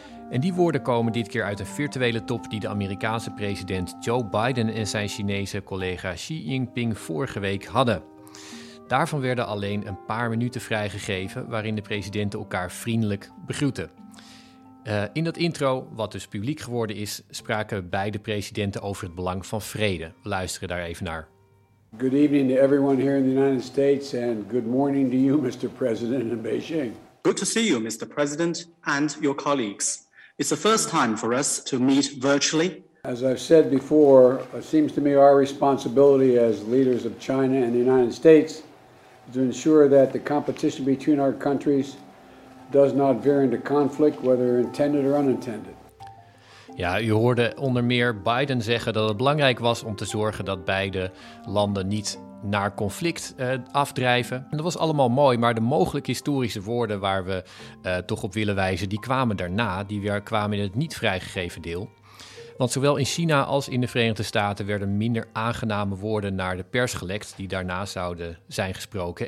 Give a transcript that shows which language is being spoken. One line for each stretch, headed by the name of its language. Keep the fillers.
Dutch: En die woorden komen dit keer uit een virtuele top die de Amerikaanse president Joe Biden en zijn Chinese collega Xi Jinping vorige week hadden. Daarvan werden alleen een paar minuten vrijgegeven waarin de presidenten elkaar vriendelijk begroeten. Uh, in dat intro, wat dus publiek geworden is, spraken beide presidenten over het belang van vrede. We luisteren daar even naar.
English: Good evening to everyone here in the United States and good morning to you, Mr. President in Beijing. Good to see you, Mr. President, and your colleagues. It's the first time for us to meet virtually. As I've said before, it seems to me our responsibility as leaders of China and the United States is to ensure that the competition between our countries does not veer into conflict, whether intended or unintended.
Dutch: Ja, u hoorde onder meer Biden zeggen dat het belangrijk was om te zorgen dat beide landen niet naar conflict eh, afdrijven. En dat was allemaal mooi, maar de mogelijk historische woorden waar we eh, toch op willen wijzen, die kwamen daarna. Die weer kwamen in het niet vrijgegeven deel. Want zowel in China als in de Verenigde Staten werden minder aangename woorden naar de pers gelekt, die daarna zouden zijn gesproken.